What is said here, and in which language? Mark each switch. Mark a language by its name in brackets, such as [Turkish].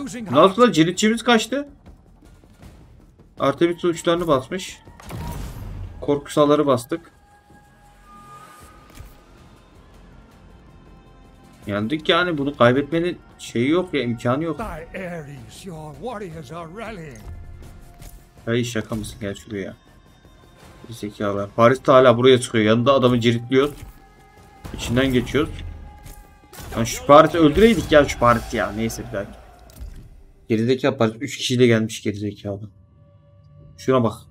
[Turkish] Nasıl lan? Ciritçimiz kaçtı. Artemis uçlarını basmış. Korkusalları bastık. Yandık yani. Bunu kaybetmenin şeyi yok ya. İmkanı yok. [English] Ares, your warriors are rallying. [Turkish] Ay şaka mısın gel şuraya. Zekalar. Paris de hala buraya çıkıyor. Yanında adamı ciritliyor. İçinden geçiyoruz. Lan şu Paris'i öldüreydik ya, şu Paris'i ya. Neyse bir dakika. Gerizekalı Paris 3 kişiyle gelmiş gerizekalı. Şuna bak.